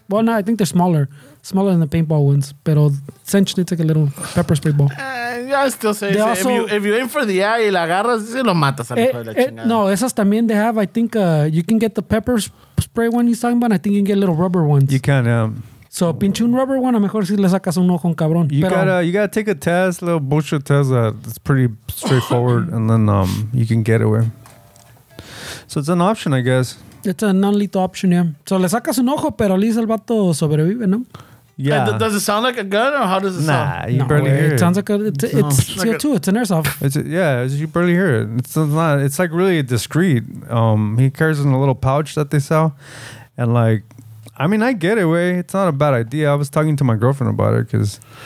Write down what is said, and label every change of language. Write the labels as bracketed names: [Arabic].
[English] Well, no, I think they're smaller than the paintball ones. But essentially, it's like a little pepper spray ball. I still say they also, if you aim for the eye [Spanish] y la agarras, se lo matas a la chingada. No, esas también [English] they have. I think you can get the pepper spray one he's talking about. I think you can get little rubber ones. You can. [Spanish] So, pinche un [English] rubber one, [Spanish] a mejor si le sacas un ojo a un cabrón. [English] You gotta take a test, a little bullshit test that's pretty straightforward, and then you can get away. So, it's an option, I guess. It's a non-lethal option, yeah. [Spanish] So le sacas un ojo, pero Liz el vato sobrevive, ¿no? [English] Yeah. Does it sound like a gun or how does it sound? Nah, you barely hear it. It sounds like a... It's like CO2. It's an airsoft. You barely hear it. It's like really discreet. He carries in a little pouch that they sell. And like... I mean, I get it, way. It's not a bad idea. I was talking to my girlfriend about it because...